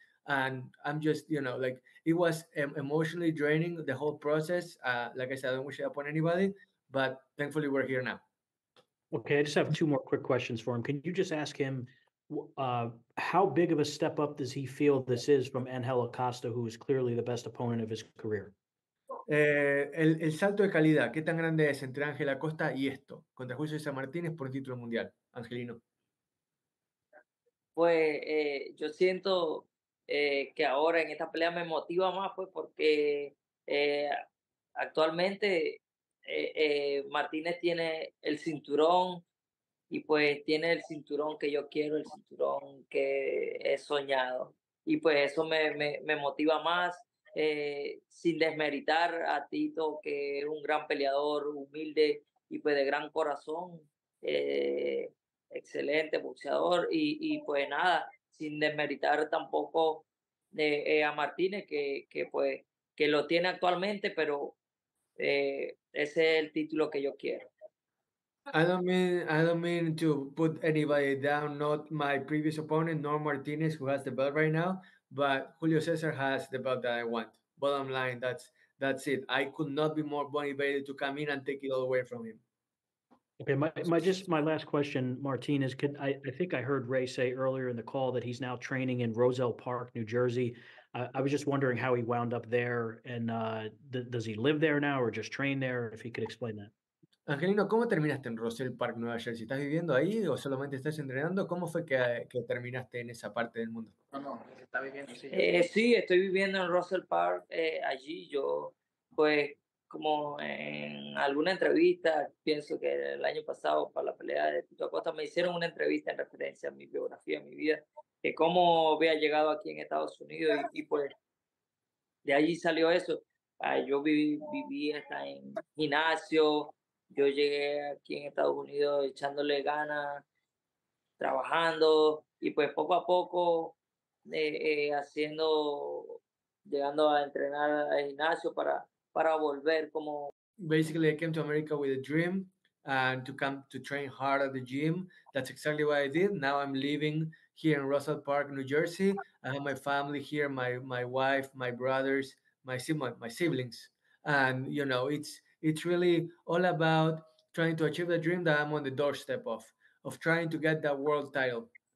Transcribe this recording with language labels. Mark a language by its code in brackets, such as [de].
[en] And I'm just, you know, like, it was emotionally draining, the whole process. Like I said, I don't wish it upon anybody, but thankfully we're here now. Okay, I just have two more quick questions for him. Can you just ask him, how big of a step up does he feel this is from Angel Acosta, who is clearly the best opponent of his career? [es] El salto de calidad, ¿qué tan grande es entre Ángel Acosta y esto? Contra Julio César Martínez por el título mundial, Angelino. Pues yo siento que ahora en esta pelea me motiva más, pues, porque actualmente Martínez tiene el cinturón y pues tiene el cinturón que yo quiero, el cinturón que he soñado. Y pues eso me motiva más, sin desmeritar a Tito, que es un gran peleador, humilde y pues de gran corazón, excelente boxeador. Y pues nada, sin desmeritar tampoco a Martínez, que pues que lo tiene actualmente, pero ese es el título que yo quiero. [en] I don't mean to put anybody down, not my previous opponent, nor Martinez, who has the belt right now, but Julio César has the belt that I want. Bottom line, that's it. I could not be more motivated to come in and take it all away from him. Okay, my last question, Martinez, I think I heard Ray say earlier in the call that he's now training in Roselle Park, New Jersey. I was just wondering how he wound up there, and does he live there now or just train there, if he could explain that. [es] Angelino, ¿cómo terminaste en Roselle Park, Nueva Jersey? ¿Estás viviendo ahí o solamente estás entrenando? ¿Cómo fue que terminaste en esa parte del mundo? Sí, estoy viviendo en Roselle Park. Allí yo, pues, como en alguna entrevista, pienso que el año pasado para la pelea de Tito Acosta, me hicieron una entrevista en referencia a mi biografía, a mi vida, que cómo había llegado aquí en Estados Unidos y pues de allí salió eso. Yo viví hasta en gimnasio. Yo llegué aquí en Estados Unidos echándole ganas, trabajando, y pues poco a poco llegando a entrenar al gimnasio para volver como... [en] Basically, I came to America with a dream and to come to train hard at the gym. That's exactly what I did. Now I'm living here in Roselle Park, New Jersey. I have my family here, my wife, my brothers, my siblings. And, you know, it's really all about trying to achieve the dream that I'm on the doorstep of trying to get that world title.